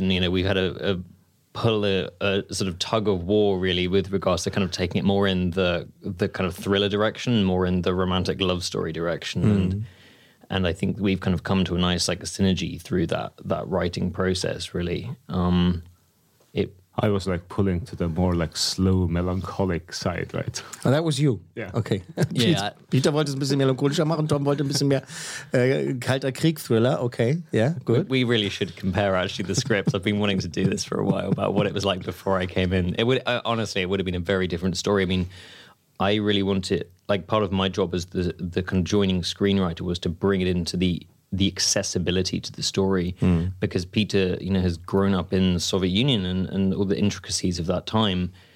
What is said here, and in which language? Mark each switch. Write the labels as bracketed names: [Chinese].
[English] And, you know, we've had a sort of tug of war, really, with regards to kind of taking it more in the kind of thriller direction, more in the romantic love story direction. Mm. And I think we've kind of come to a nice, like, a synergy through that writing process, really. I was, like, pulling to the more, like, slow, melancholic side, right? Oh, that was you? Yeah. Okay. Yeah. [German] Peter wollte es ein bisschen melancholischer machen, Tom wollte ein bisschen mehr kalter Krieg-Thriller. [English] Okay, yeah, good. We really should compare, actually, the scripts. I've been wanting to do this for a while, about what it was like before I came in. It would have been a very different story. I mean, I really wanted, like, part of my job as the conjoining screenwriter was to bring it into the accessibility to the story, because Peter, you know, has grown up in the Soviet Union and all the intricacies of that time.